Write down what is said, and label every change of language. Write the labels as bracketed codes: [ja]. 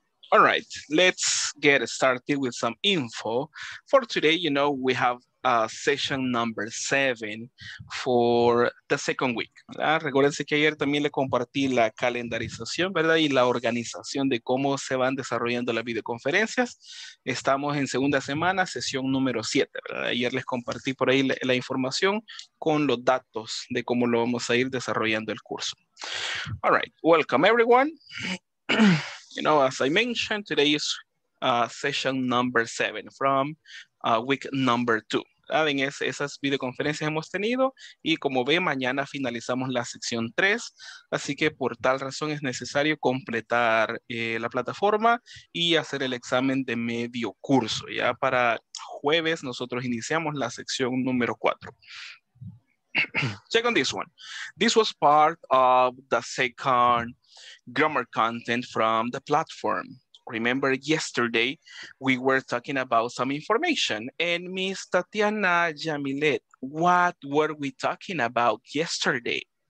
[en] All right, let's get started with some info. For today, you know, we have session number 7 for the second week. [es] ¿Verdad? Recuérdense que ayer también le compartí la calendarización, ¿verdad? Y la organización de cómo se van desarrollando las videoconferencias. Estamos en segunda semana, sesión número 7, ¿verdad? Ayer les compartí por ahí la información con los datos de cómo lo vamos a ir desarrollando el curso. [en] All right, welcome everyone. You know, as I mentioned, today is session number 7 from week number 2. [es] ¿Saben? Esas videoconferencias hemos tenido y como ve, mañana finalizamos la sección 3. Así que por tal razón es necesario completar la plataforma y hacer el examen de medio curso. Ya para jueves nosotros iniciamos la sección número 4. [en] Check on this one. This was part of the second grammar content from the platform. Remember yesterday we were talking about some information, and Miss Tatiana Jamilet, what were we talking about yesterday?